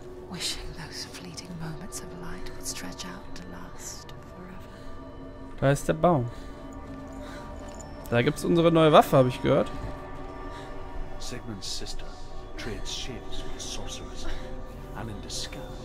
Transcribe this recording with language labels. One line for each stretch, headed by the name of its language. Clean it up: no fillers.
English: Wishing those fleeting moments of light would stretch out to last forever.
German: Da ist der Baum. Da gibt's unsere neue Waffe, habe ich gehört.
English: Sigmund's sister trades ships with sorcerers, and in disguise.